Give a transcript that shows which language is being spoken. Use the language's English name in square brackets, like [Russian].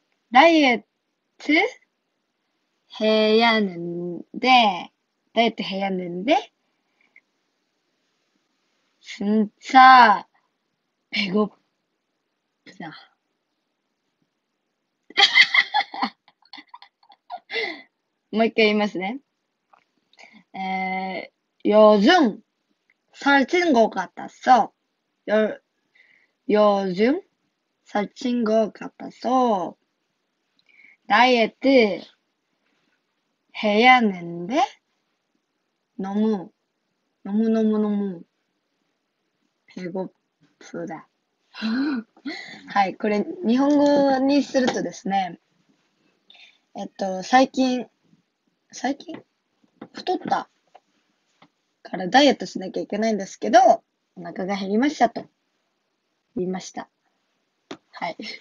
[Korean] 다이어트해야는데진짜배고프다 [Japanese] もう一回言いますね。 [Korean] 요즘살찐것같았어 요즘살찐것같았어다이어트해야하는데너무배고프다。 [Japanese] はい、これ日本語にするとですね、最近太ったからダイエットしなきゃいけないんですけど、お腹が減りましたと言いました。はい。